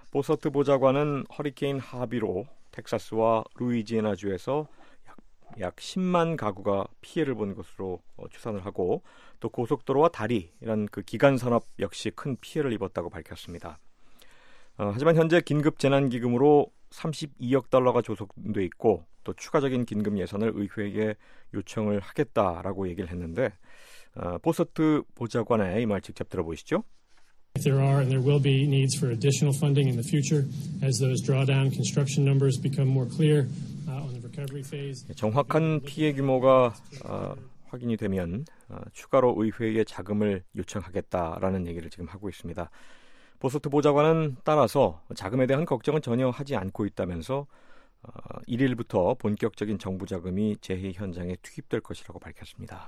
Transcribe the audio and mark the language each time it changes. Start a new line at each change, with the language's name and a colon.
Korean: 보서트 보좌관은 허리케인 하비로 텍사스와 루이지애나주에서 약 10만 가구가 피해를 본 것으로 추산을 하고 또 고속도로와 다리 이런 그 기간산업 역시 큰 피해를 입었다고 밝혔습니다. 하지만 현재 긴급재난기금으로 32억 달러가 조성돼 있고 또 추가적인 긴급 예산을 의회에 요청을 하겠다라고 얘기를 했는데 보서트 보좌관의 이 말 직접 들어보시죠.
English: If there are, there will be needs for additional funding in the future as those drawdown construction numbers become more clear on the recovery phase.
Korean: 정확한 피해 규모가 확인이 되면 추가로 의회에 자금을 요청하겠다라는 얘기를 지금 하고 있습니다. 보서트 보좌관은 따라서 자금에 대한 걱정은 전혀 하지 않고 있다면서 1일부터 본격적인 정부 자금이 재해 현장에 투입될 것이라고 밝혔습니다.